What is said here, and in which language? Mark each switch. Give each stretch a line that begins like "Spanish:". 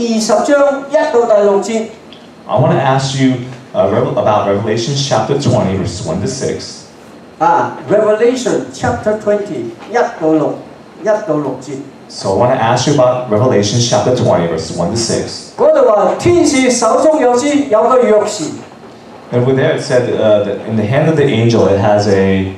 English: I want to ask you about Revelation chapter 20, verses 1 to 6. Revelation chapter 20, 1 to 6. So I want to ask you about Revelation chapter 20, verses 1 to 6.
Chinese: 那里说,天使手中有一个钥匙,
English: and over there it said that in the hand of the angel it has a